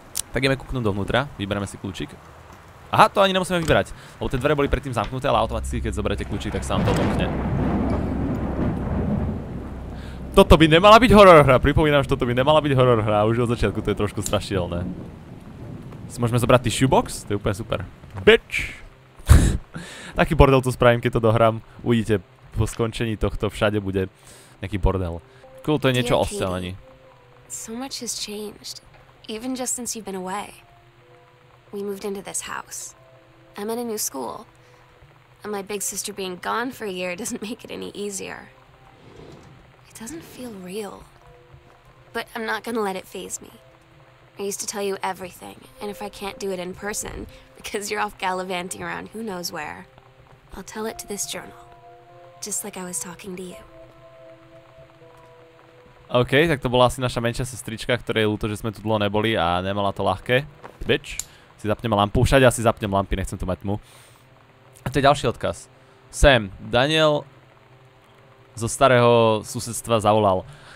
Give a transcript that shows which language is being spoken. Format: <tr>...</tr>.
<sk>Tak ideme kúknúť dovnútra, vyberieme si kľúčik. Aha, to ani nemusíme vybrať, lebo tie dvere boli predtým zamknuté, ale automaticky, keď zoberete kľúčik, tak sa vám to odomkne. Toto by nemala byť horor hra, pripomínam, že toto by nemala byť horor hra, už od začiatku to je trošku strašidelné. Si môžeme zobrať tissue box? To je úplne super. Bitch! Taký bordel tu spravím, keď to dohrám. Uvidíte, po skončení tohto všade bude nejaký bordel. Cool, to je niečo o stelení.</sk> <en>So much has changed, even just since you've been away. We moved into this house. I'm in a new school. And my big sister being gone for a year doesn't make it any easier. It doesn't feel real. But I'm not gonna let it faze me. I used to tell you everything, and if I can't do it in person, because you're off gallivanting around who knows where, I'll tell it to this journal, just like I was talking to you.</en> <sk>OK, tak to bola asi naša menšia sestrička, ktorej je ľúto, že sme tu dlho neboli a nemala to ľahké. Bitch, si zapnem lampu, všade asi zapnem lampy, nechcem tu mať tmu. A to je ďalší odkaz. Sam, Daniel zo starého susedstva zavolal.</sk>